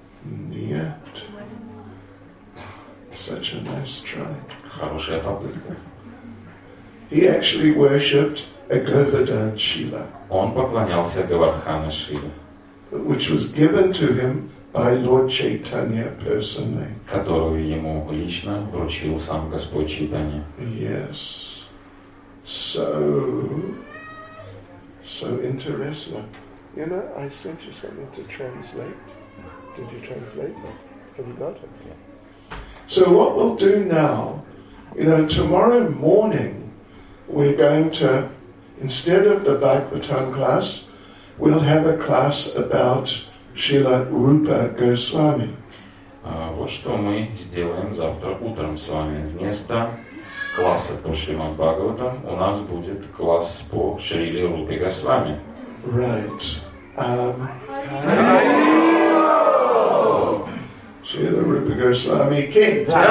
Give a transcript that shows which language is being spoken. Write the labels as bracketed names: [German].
[Russian] Нет. [English] Such a nice try. [Russian] Хорошая попытка. [English] He actually worshipped a Govardhan Shila. [Russian] Он поклонялся Говардхана Шиле. [English] Which was given to him by Lord Chaitanya personally. [Russian] Которую ему лично вручил сам Господь Чайтанья. [English] Yes. So, so interesting. You know, I sent you something to translate. Did you translate that? Have you got it? Yeah. So what we'll do now, you know, tomorrow morning, we're going to, instead of the Bhagavatam class, we'll have a class about Srila Rupa Goswami. [Russian] Вот что мы сделаем завтра утром с вами вместо класса по Шримад Бхагаватам, у нас будет класс по Шриле Рупе Госвами. [English] Right. [Russian] Шриле Рупе Госвами ки.